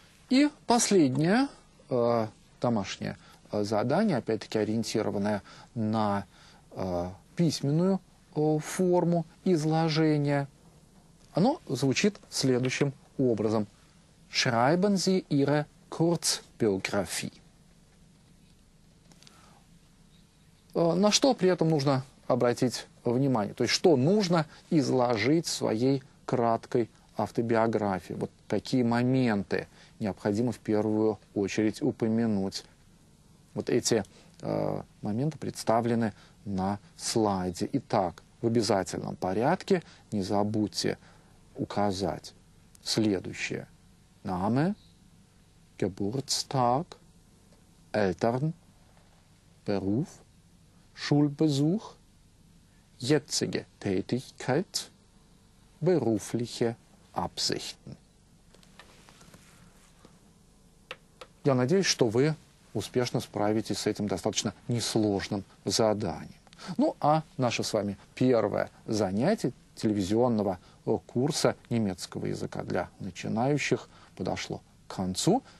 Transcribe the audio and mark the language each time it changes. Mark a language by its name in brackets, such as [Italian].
[Russian] И последнее домашнее задание, опять-таки ориентированное на письменную форму изложения, оно звучит следующим образом. [German] Schreiben Sie Ihre Kurzbiografie. [Russian] На что при этом нужно обратить внимание? То есть, что нужно изложить в своей краткой автобиографии? Вот какие моменты необходимо в первую очередь упомянуть. Вот эти моменты представлены на слайде. Итак, в обязательном порядке не забудьте указать следующее. [German] Name, Geburtstag, Eltern, Beruf, Schulbesuch, jetzige Tätigkeit, berufliche Absichten. [Russian] Я надеюсь, что вы успешно справитесь с этим достаточно несложным заданием. Ну, а наше с вами первое занятие телевизионного курса немецкого языка для начинающих подошло к концу.